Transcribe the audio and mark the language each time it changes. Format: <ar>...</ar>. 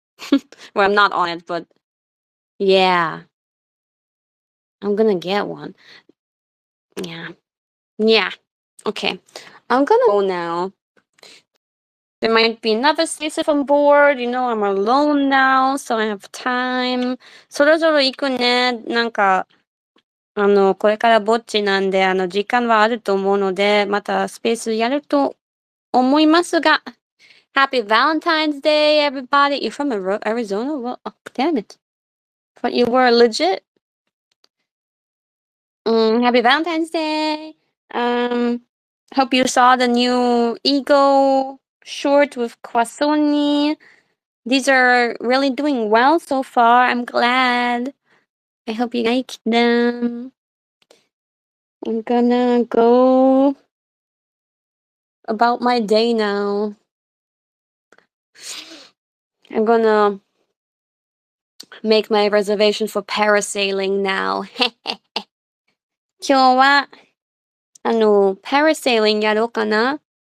<en>Well, I'm not on it, but yeah. I'm gonna get one. Yeah. Okay. I'm gonna go now. There might be another space if I'm bored. You know, I'm alone now, so I have time.</en> <ja>そろそろ行くね。なんか。あの、これからぼっちなんで、あの、時間はあると思うので、またスペースやると思いますが。</ja> <en>Happy Valentine's Day, everybody! You're from Arizona? Well, oh, damn it. But you were legit? Happy Valentine's Day! Hope you saw the new Ego short with Kwasoni. These are really doing well so far. I'm glad. I hope you like them. I'm gonna go about my day now. I'm gonna make my reservation for parasailing now.</en> <ja>今日は、パラセーリングやろうかな。</ja>